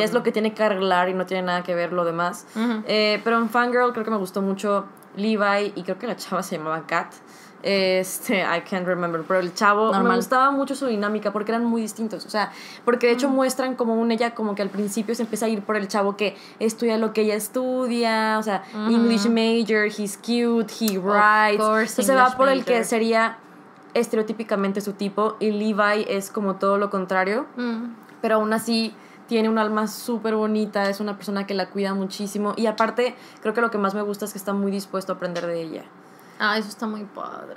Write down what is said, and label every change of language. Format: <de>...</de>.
<es>es lo que tiene que arreglar y no tiene nada que ver lo demás. Pero en Fangirl creo que me gustó mucho Levi, y creo que la chava se llamaba Kat.</es> <en>I can't remember.</en> <es>Pero el chavo, normal. Me gustaba mucho su dinámica porque eran muy distintos. O sea, porque de hecho muestran como un ella, como que al principio se empieza a ir por el chavo que estudia lo que ella estudia. O sea,</es> <en>English major, he's cute, he writes. Of course,</en> <es>o sea, se va por el que sería estereotípicamente su tipo. Y Levi es como todo lo contrario. Pero aún así tiene un alma súper bonita, es una persona que la cuida muchísimo. Y aparte, creo que lo que más me gusta es que está muy dispuesto a aprender de ella. Ah, eso está muy padre.</es>